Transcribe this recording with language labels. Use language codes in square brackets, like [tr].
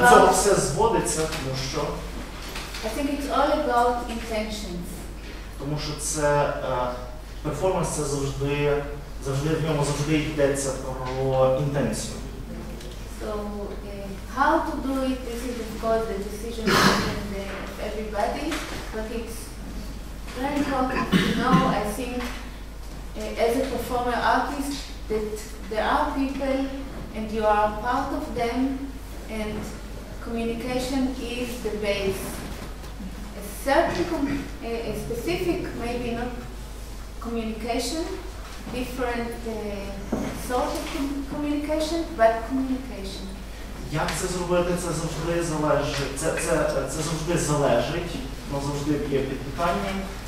[uk] до цього все зводиться, тому що [en] I think it's all about intentions. [uk] Тому що це перформанс це завжди в ньому завжди йдеться про інтенцію. [en] So how to do it, this is of course the decision and everybody, but it's very important to know, I think, as a performer artist, that there are people and you are part of them and communication is the base. A certain, a specific, maybe not communication, different sort of communication, but communication. [uk] Як це зробити, це завжди залежить. Це завжди залежить, воно завжди є під питанням.